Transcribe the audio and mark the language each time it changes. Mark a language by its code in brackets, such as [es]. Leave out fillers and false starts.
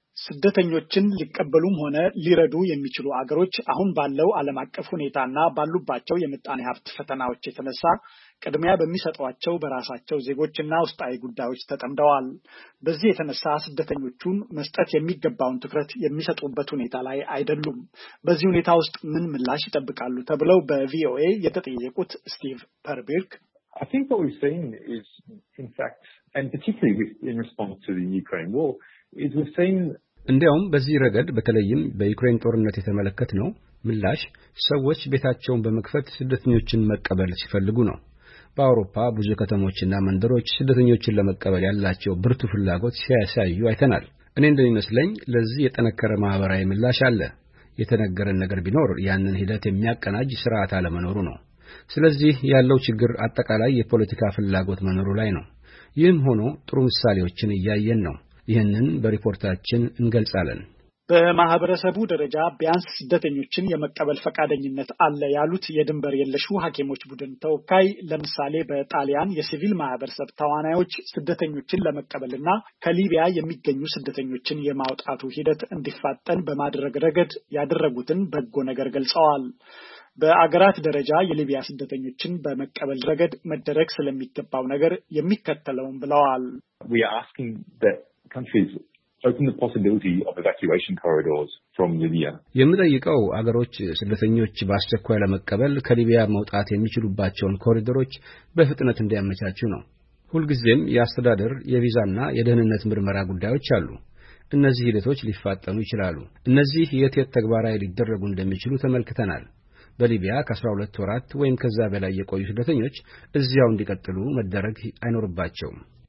[am] ስደተኞችን ሊቀበሉም ሆነ ሊረዱ የሚችሉ አገሮች አሁን ባለው ዓለም አቀፍ ሁኔታና ባሉባቸው የምጣኔ ሀብት ፈተናዎች የተነሳ ቀድሚያ በሚሰጧቸው በራሳቸው ዜጎችና ውስጣዊ ጉዳዮች ተጠምደዋል። በዚህ የተነሳ ስደተኞቹን መስጠት የሚገባውን ትኩረት የሚሰጡበት ሁኔታ ላይ አይደሉም። በዚህ ሁኔታ ውስጥ ምን ምላሽ ይጠብቃሉ ተብለው በቪኦኤ የተጠየቁት ስቲቭ ፐርቢርክ [en] I think what we're seeing is, in fact, and particularly in response to the Ukraine war, is we're seeing... [am] እንዲያውም በዚህ ረገድ በተለይም በዩክሬን ጦርነት የተመለከት ነው ምላሽ ሰዎች ቤታቸውን በመክፈት ስደተኞችን መቀበል ሲፈልጉ ነው። በአውሮፓ ብዙ ከተሞችና መንደሮች ስደተኞችን ለመቀበል ያላቸው ብርቱ ፍላጎት ሲያሳዩ አይተናል። እኔ እንደሚመስለኝ ለዚህ የተነከረ ማህበራዊ ምላሽ አለ። የተነገረን ነገር ቢኖር ያንን ሂደት የሚያቀናጅ ስርዓት አለመኖሩ ነው። ስለዚህ ያለው ችግር አጠቃላይ የፖለቲካ ፍላጎት መኖሩ ላይ ነው። ይህም ሆኖ ጥሩ ምሳሌዎችን እያየን ነው። ይህንን በሪፖርታችን እንገልጻለን። በማህበረሰቡ ደረጃ ቢያንስ ስደተኞችን የመቀበል ፈቃደኝነት አለ ያሉት የድንበር የለሹ ሐኪሞች ቡድን ተወካይ ለምሳሌ በጣሊያን የሲቪል ማህበረሰብ ተዋናዮች ስደተኞችን ለመቀበልና ከሊቢያ የሚገኙ ስደተኞችን የማውጣቱ ሂደት እንዲፋጠን በማድረግ ረገድ ያደረጉትን በጎ ነገር ገልጸዋል። በአገራት ደረጃ የሊቢያ ስደተኞችን በመቀበል ረገድ መደረግ ስለሚገባው ነገር የሚከተለውን ብለዋል። [en] We are asking that countries open the possibility of evacuation corridors from Libya. [am] የምንጠይቀው አገሮች ስደተኞች በአስቸኳይ ለመቀበል ከሊቢያ መውጣት የሚችሉባቸውን ኮሪደሮች በፍጥነት እንዲያመቻቹ ነው። ሁልጊዜም የአስተዳደር የቪዛና የደህንነት ምርመራ ጉዳዮች አሉ። እነዚህ ሂደቶች ሊፋጠኑ ይችላሉ። እነዚህ የትየት ተግባራዊ ሊደረጉ እንደሚችሉ ተመልክተናል። በሊቢያ ከ12 ወራት ወይም ከዛ በላይ የቆዩ ስደተኞች እዚያው እንዲቀጥሉ መደረግ አይኖርባቸውም።